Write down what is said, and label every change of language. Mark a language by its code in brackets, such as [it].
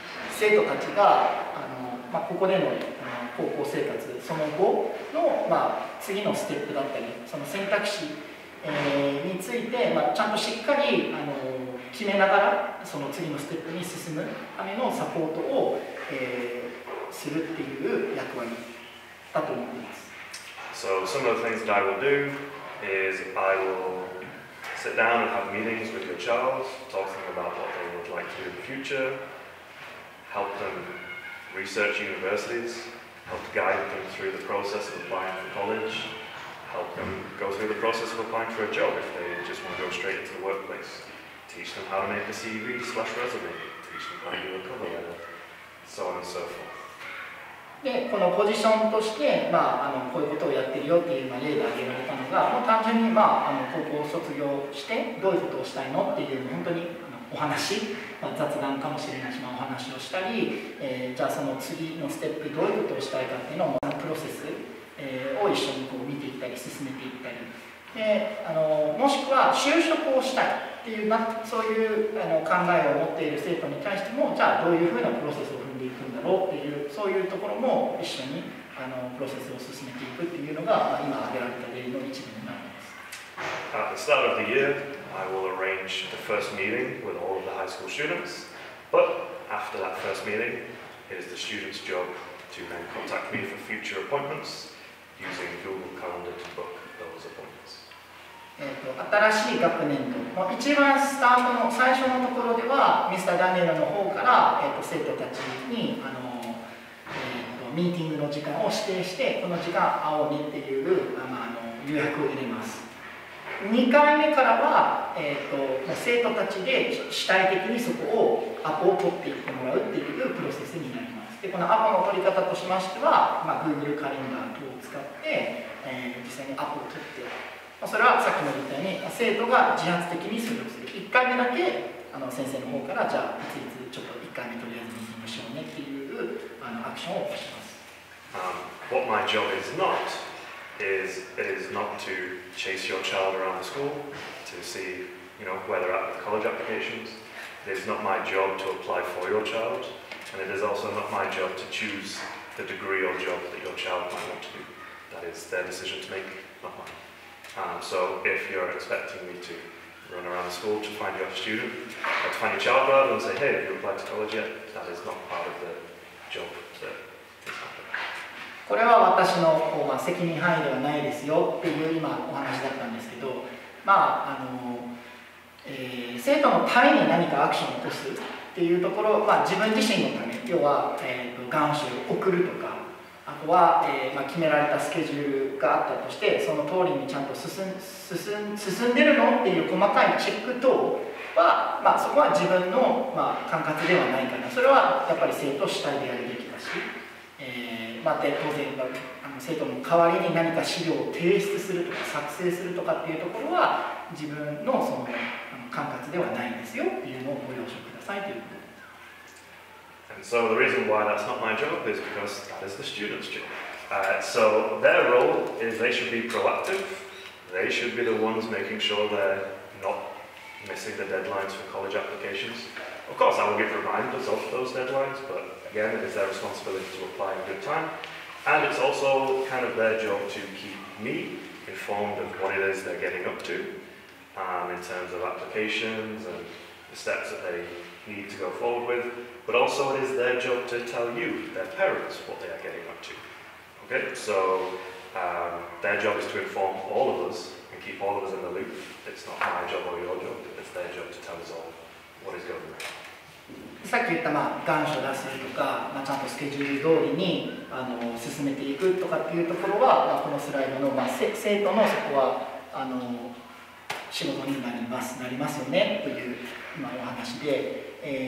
[ja] 生徒たちがまあ、ここでの高校生活その後の、まあ、次のステップだったりその選択肢、について、まあ、ちゃんとしっかり決めながらその次のステップに進むためのサポートを、するっていう役割だと思います。 [en] So some of the things that I will do is I will sit down and have meetings with your child, talk to them about what they would like to do in the future, help them research universities, help guide them through the process of applying for college, help them go through the process of applying for a job if they just want to go straight into the workplace. Teach them how to make a CV slash resume, teach them how to do a cover letter, so on and so forth. [ja] で、このポジションとして、まあ、あのこういうことをやってるよっていう例が挙げられたのが、もう単純に、まあ、あの高校を卒業してどういうことをしたいのっていう本当にあのお話、まあ、雑談かもしれないし、まあ、お話をしたり、じゃあその次のステップどういうことをしたいかっていうのをプロセス、を一緒にこう見ていったり進めていったり、であのもしくは就職をしたいっていう、まあ、そういうあの考えを持っている生徒に対しても、じゃあどういうふうなプロセスをっていう、そういうところも一緒にあのプロセスを進めていくっていうのが、まあ、今挙げられた例の一部になります。 [en] At the start of the year, I will arrange the first meeting with all of the high school students. But after that first meeting, it is the student's job to then contact me for future appointments using Google Calendar to book those appointments. [ja] 新しい学年度、まあ、一番スタートの最初のところでは、Mr. ダニエルの方から、生徒たちにあのミーティングの時間を指定して、この時間青にっていう、まあ、あの予約を入れます。 2回目からは、生徒たちで主体的にそこをアポを取っていってもらうっていうプロセスになります。でこのアポの取り方としましては、まあ、Google カレンダー等を使って、実際にアポを取って、それはさっきのみたいに生徒が自発的にそれをする。 1回目だけあの先生の方から、じゃあいついつちょっと1回目とりあえずミーティングしようねっていうあのアクションを起こします。 [en] What my job is not is it is not to chase your child around the school to see, you know, where they're at with college applications. It is not my job to apply for your child, and it is also not my job to choose the degree or job that your child might want to do. That is their decision to make, not mine. So if you're expecting me to run around the school to find your student, or to find your child rather, and say, hey, have you applied to college yet? That is not part of the job that is happening. [ja] これは私のこう、まあ、責任範囲ではないですよっていう今お話だったんですけど、まあ生徒のために何かアクションを起こすっていうところ、まあ、自分自身のため、要は、願書を送るとか、あとは、まあ、決められたスケジュールがあったとして、その通りにちゃんと進んでるのっていう細かいチェック等は、まあ、そこは自分の、まあ、管轄ではないかな。それはやっぱり生徒主体でやるべきだし、まあ、で当然あの生徒の代わりに何か資料を提出するとか作成するとかっていうところは自分のその管轄ではないんですよっていうのをご了承くださいということ。 [en] So the reason why that's not my job is because that is the student's job. So their role is they should be proactive. They should be the ones making sure they're not missing the deadlines for college applications. Of course, I will give reminders of those deadlines, but again, it is their responsibility to apply in good time. And it's also kind of their job to keep me informed of what it is they're getting up to, in terms of applications and the steps that they need to go forward with. But also it is their job to tell you, their parents, what they are getting up to. Okay, so their job is to inform all of us and keep all of us in the loop. It's not my job or your job, it's their job to tell us all what is going on. [ja] さっき言った、まあ、願書を出すとか、まあ、ちゃんとスケジュール通りにあの進めていくとかっていうところは、まあ、このスライドの、まあ、生徒のそこはあの仕事になります、なりますよねという今お話で、